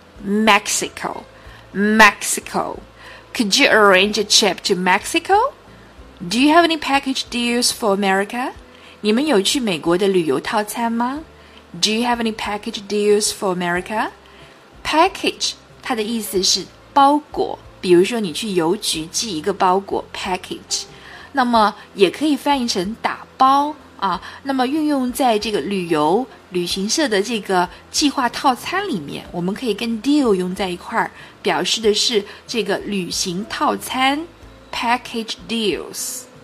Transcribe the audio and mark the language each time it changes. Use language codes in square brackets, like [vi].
[en] Mexico Mexico Could you arrange a trip to Mexico? Do you have any package deals for America? [zh] 你们有去美国的旅游套餐吗？ [en] Do you have any package deals for America? [zh] Package, 它的意思是包裹，比如说你去邮局寄一个包裹 ,package。那么也可以翻译成打包啊，那么运用在这个旅游旅行社的这个计划套餐里面，我们可以跟 deal 用在一块儿，表示的是这个旅行套餐 ,package deals。